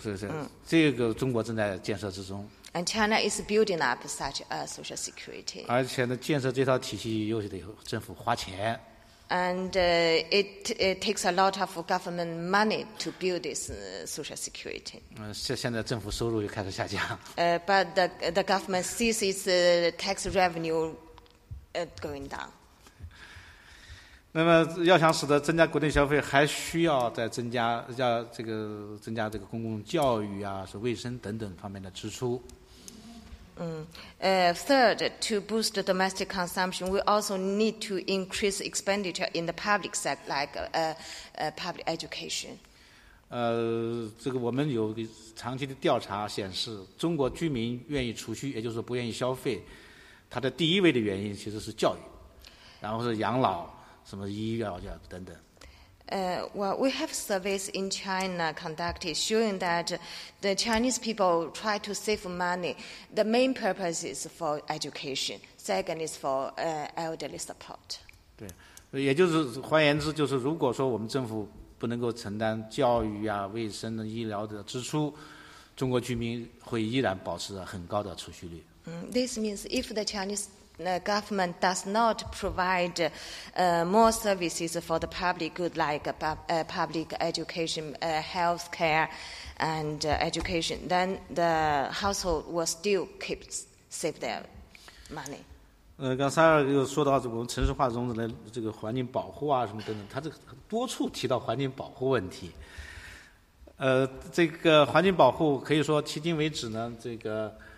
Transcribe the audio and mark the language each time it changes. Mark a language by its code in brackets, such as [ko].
[zh] 是，这个中国正在建设之中。 [en] And China is building up such a social security. [zh] 而且呢，建设这套体系又得政府花钱。 [en] And it takes a lot of government money to build this social security. [zh] 现在政府收入又开始下降。 [en] But the government sees its tax revenue. Going down. [zh] 那么要想使得增加国内消费，还需要再增加要这个增加这个公共教育啊，是卫生等等方面的支出。 [en] Third, to boost the domestic consumption, we also need to increase expenditure in the public sector, like public education. [zh] 这个我们有个长期的调查显示，中国居民愿意储蓄，也就是不愿意消费。它的第一位的原因其实是教育，然后是养老、什么医疗等等。 [en] Well, we have surveys in China conducted showing that the Chinese people try to save money. The main purpose is for education. Second is for elderly support. [zh] 对，也就是换言之，就是如果说我们政府不能够承担教育啊、卫生的医疗的支出，中国居民会依然保持很高的储蓄率。 [en] This means if the Chinese government does not provide more services for the public good, like public education, health care, and education, then the household will still keep save their money. [zh] 刚才又说到我们城市化中的这个环境保护啊什么等等，他这个多处提到环境保护问题。这个环境保护可以说迄今为止呢，这个。